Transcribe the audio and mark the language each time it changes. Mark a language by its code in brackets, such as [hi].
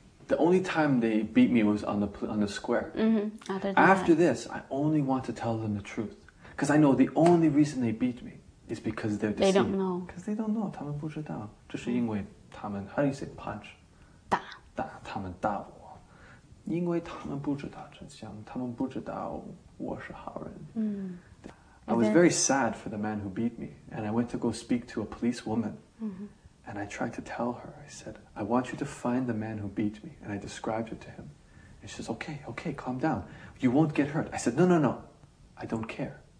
[en] The only time they beat me was on the square. Mm-hmm. Other than After that. This, I only want to tell them the truth. Because I know the only reason they beat me is because they're deceived. They don't know. Because they don't know. [zh] 他们不知道。这是因为他们, [en] how do you say punch? [zh] 打。打,他们打我。因为他们不知道真相,他们不知道我是好人。嗯。 [en] I was very sad for the man who beat me, and I went to go speak to a policewoman. Mm-hmm. And I tried to tell her, I said, I want you to find the man who beat me. And I described it to him. And she says, okay, calm down. You won't get hurt. I said, no, I don't care.